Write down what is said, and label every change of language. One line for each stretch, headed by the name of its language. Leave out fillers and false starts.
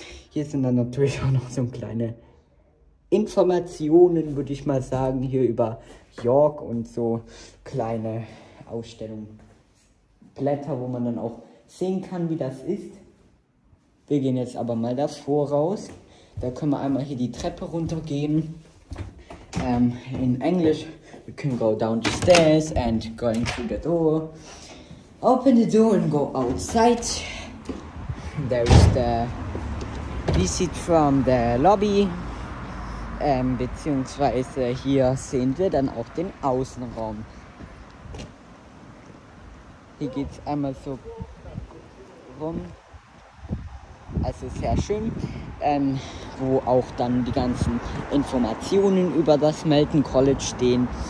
German: Hier sind dann natürlich auch noch so kleine Informationen, würde ich mal sagen, hier über York und so kleine Ausstellungsblätter, wo man dann auch sehen kann, wie das ist. Wir gehen jetzt aber mal davor raus. Da können wir einmal hier die Treppe runtergehen. In Englisch,
English: we can go down the stairs and going through the door. Open the door and go outside. There is the visit from the lobby.
German: Beziehungsweise hier sehen wir dann auch den Außenraum. Hier geht es einmal so rum. Also sehr schön, wo auch dann die ganzen Informationen über das Melton College stehen.